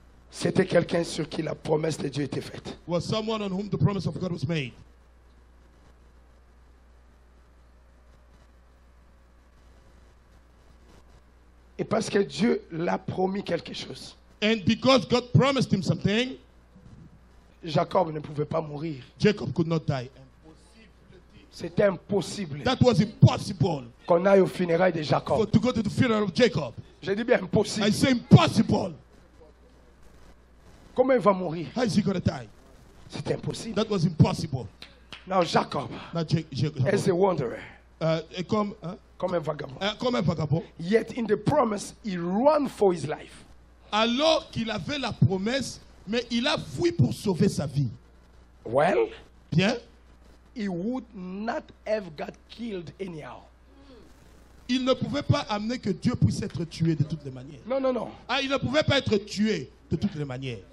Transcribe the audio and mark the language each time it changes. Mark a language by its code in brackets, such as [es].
[fr] C'était quelqu'un sur qui la promesse de Dieu était faite. [en] Was someone on whom the promise of God was made. [fr] Et parce que Dieu l'a promis quelque chose. [en] And because God promised him something. [fr] Jacob ne pouvait pas mourir. [en] Jacob could not die. [fr] C'était impossible. [en] That was impossible. [fr] Qu'on aille au funérail de Jacob. [en] For, to go to the funeral of Jacob. [fr] J'ai dit bien impossible. [en] I say impossible. [fr] Comment il va mourir? [en] How is he going to die? [fr] C'était impossible. [en] That was impossible. Now Jacob. Now Jacob. As a wanderer. [fr] Comme un vagabond. Comme un vagabond. [en] Yet in the promise, he ran for his life. [fr] Alors qu'il avait la promesse, mais il a fui pour sauver sa vie. [en] Well. [fr] Bien. [en] He would not have got killed anyhow. [fr] Il ne pouvait pas amener que Dieu puisse être tué de toutes les manières. Non. Ah, il ne pouvait pas être tué de toutes les manières.